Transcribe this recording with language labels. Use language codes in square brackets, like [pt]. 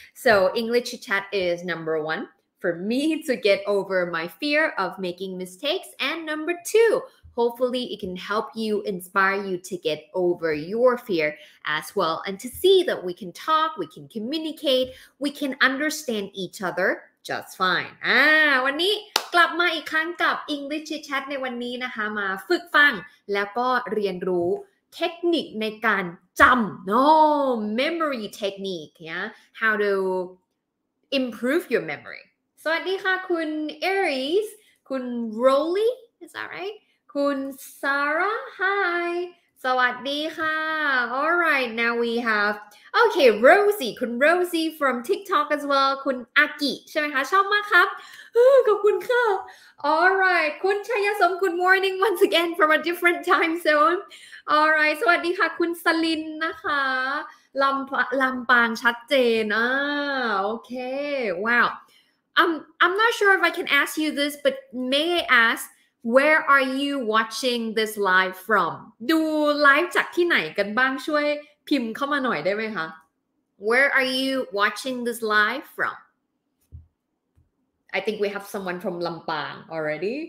[en] So English chat is number one for me to get over my fear of making mistakes. And number two, hopefully it can help you, inspire you to get over your fear as well. And to see that we can talk, we can communicate, we can understand each other. Just fine. [th] วันนี้กลับมาอีกครั้งกับ English Chitchat ในวันนี้นะคะมาฝึกฟังแล้วก็เรียนรู้เทคนิคในการจำ [en] memory technique yeah how to improve your memory [th] สวัสดีค่ะ [en] คุณ Aries คุณ Rolly is that right คุณ Sarah hi สวัสดีค่ะ all right now we haveOkay, Rosie, คุณ Rosie from TikTok as well, คุณ Aki, [th] ใช่ไหมคะ ชอบมากครับ ขอบคุณค่ะ [en] All right, คุณชัยสม good morning once again from a different time zone. All right, [th] สวัสดีค่ะคุณสลินนะคะ ลำปางชัดเจน [en] okay, wow. I'm not sure if I can ask you this, but may I ask, where are you watching this live from? [th] ดูไลฟ์จากที่ไหนกันบ้างช่วยพิมพ์เข้ามาหน่อยได้ไหมคะ [en] Where are you watching this live from? I think we have someone from ลำปาง already.